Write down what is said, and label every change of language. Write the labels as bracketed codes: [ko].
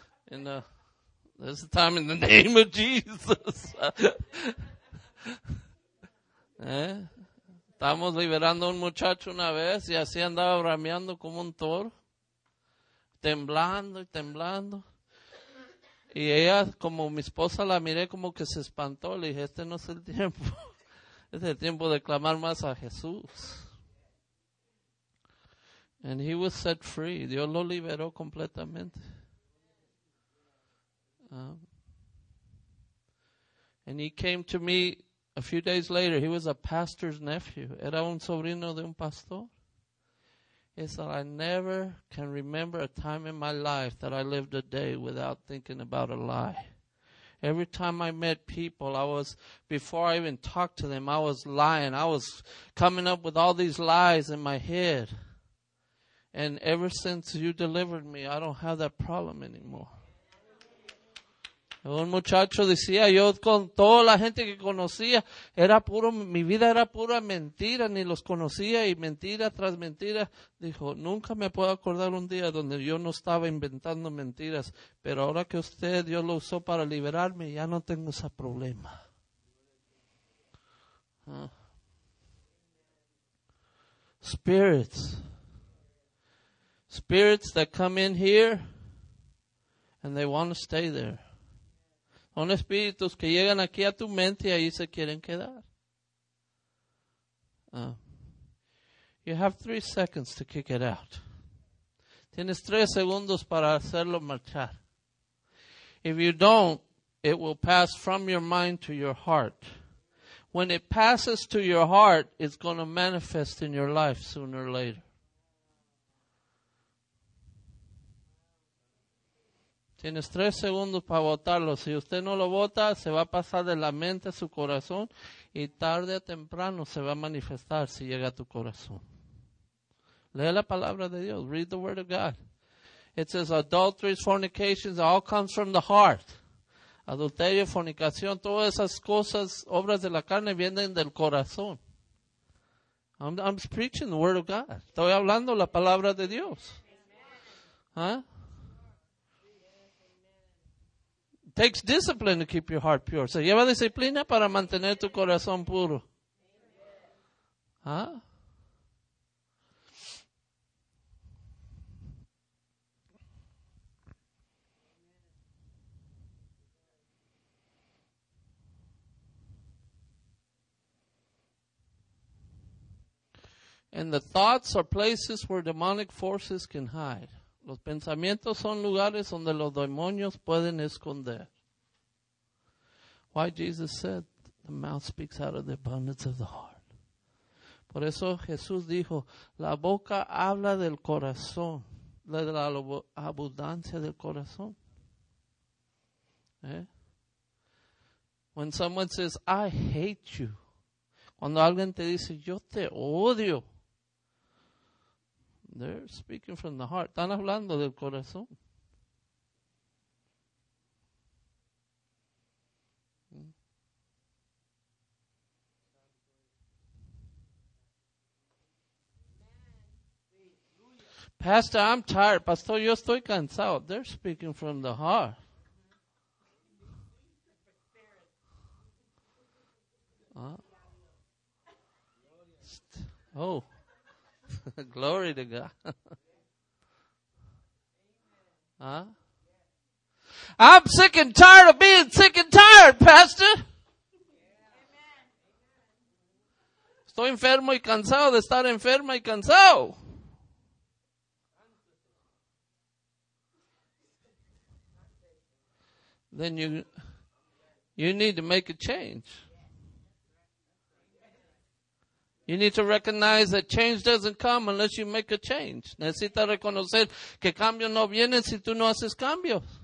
[en] And there's a time in the name of Jesus. [es] Estamos liberando un muchacho una vez y así andaba bramando como un toro, temblando y temblando. Y ella, como mi esposa, la miré como que se espantó. Le dije, este no es el tiempo. Es el tiempo de clamar más a Jesús. [en] And he was set free. [es] Dios lo liberó completamente. [en] And he came to me a few days later. He was a pastor's nephew. [es] Era un sobrino de un pastor. [en] He said, I never can remember a time in my life that I lived a day without thinking about a lie. Every time I met people, I was, before I even talked to them, I was lying. I was coming up with all these lies in my head. And ever since you delivered me, I don't have that problem anymore. [es] Un muchacho decía, yo con toda la gente que conocía, era puro, mi vida era pura mentira, ni los conocía, y mentira tras mentira. Dijo, nunca me puedo acordar un día donde yo no estaba inventando mentiras, pero ahora que usted, Dios lo usó para liberarme, ya no tengo ese problema. [en] Spirits. Spirits that come in here, and they want to stay there. [es] Son espíritus que llegan aquí a tu mente y ahí se quieren quedar. [en] You have 3 seconds to kick it out. [es] Tienes 3 segundos para hacerlo marchar. [en] If you don't, it will pass from your mind to your heart. When it passes to your heart, it's going to manifest in your life sooner or later. [es] Tienes 3 segundos para votarlo. Si usted no lo vota, se va a pasar de la mente a su corazón y tarde o temprano se va a manifestar si llega a tu corazón. Lee la palabra de Dios. [en] Read the word of God. It says adulteries, fornications, all comes from the heart. [es] Adulterio, fornicación, todas esas cosas, obras de la carne, vienen del corazón. [en] I'm preaching the word of God. [es] Estoy hablando la palabra de Dios. [en] Huh? It takes discipline to keep your heart pure. [es] Se lleva disciplina para mantener tu corazón puro. Huh? [en] And the thoughts are places where demonic forces can hide. [es] Los pensamientos son lugares donde los demonios pueden esconder. [en] Why Jesus said, the mouth speaks out of the abundance of the heart. [es] Por eso Jesús dijo, la boca habla del corazón, de la abundancia del corazón. [en] ¿Eh? When someone says, I hate you. [es] Cuando alguien te dice, yo te odio. [en] They're speaking from the heart. [es] Están hablando del corazón. [en] Pastor, I'm tired. [es] Pastor, yo estoy cansado. [en] They're speaking from the heart. Oh. Glory to God. Huh? I'm sick and tired of being sick and tired, Pastor. [es] Estoy enfermo y cansado de estar enferma y cansado. [en] Then you need to make a change. You need to recognize that change doesn't come unless you make a change. [es] Necesita reconocer que cambio no viene si tú no haces cambios.